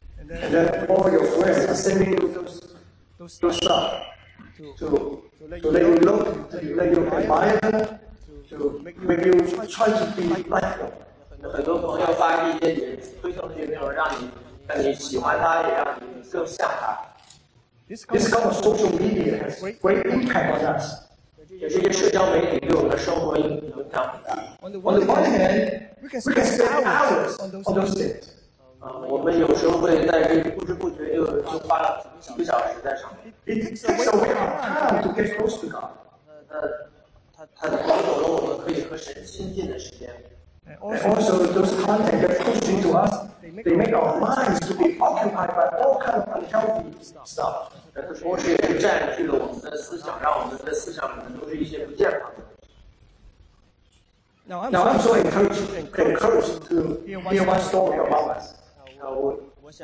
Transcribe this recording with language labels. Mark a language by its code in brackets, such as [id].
[en] And then all your friends are sending you those stuff to let you look, to let you admire them, to make you try to be like them. [zh] 很多朋友发一些推送这些内容，让你喜欢他，也让你更像他。 [en] This kind of social media has great impact on us. [zh] 这些社交媒体对我们的生活影响很大。 [en] On the one hand, we can spend hours on those things. [zh] 我们有时候会在这不知不觉就花了几个小时在上面。 [en] It takes away our time to get close to God. [zh] 它夺走了我们可以和神亲近的时间。 [en] And also, those content that push into us, they make our minds to be occupied by all kinds of unhealthy stuff. [zh] 同时也占据了我们的思想，让我们的思想里面都是一些不健康的。 [en] Now I'm so encouraged to hear one story about us.